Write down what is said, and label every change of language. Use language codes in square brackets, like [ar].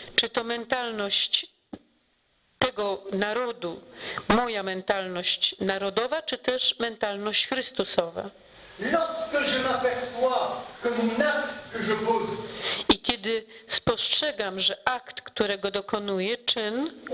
[pl] Czy to mentalność tego narodu, moja mentalność narodowa, czy też mentalność chrystusowa? [fr] Lorsque je m'aperçois que mon acte que je pose, [pl] i kiedy spostrzegam, że akt, którego dokonuję, czyn,